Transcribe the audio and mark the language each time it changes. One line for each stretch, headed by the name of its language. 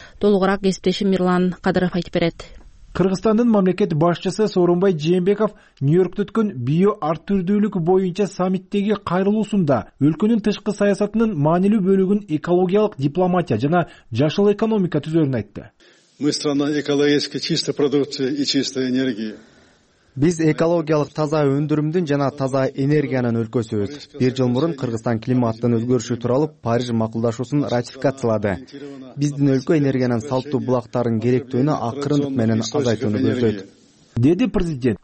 Kyrgyz: Толугураак кесиптешим Мирлан Кадыров айтып берет. Кыргызстандын мамлекет башчысы Сооронбай Жээнбеков Нью-Йоркто өткөн био ар түрдүүлүк боюнча саммиттеги кайрылуусунда өлкөнүн тышкы саясатынын маанилүү бөлүгүн экологиялык дипломатия жана жашыл экономика түзөрүн айтты.
Russian: Мы страна экологически чистой продукции и чистой энергии.
Kyrgyz: Биз экологиялык таза өндүрүмдүн жана таза энергиянын өлкөсүбүз. Бир жыл мурун Кыргызстан климаттын өзгөрүшү тууралуу Париж макулдашуусун ратификациялады. Биздин өлкө энергиянын салттуу булактарын керектөөнү акырындык менен азайтууну көздөйт. Деди президент.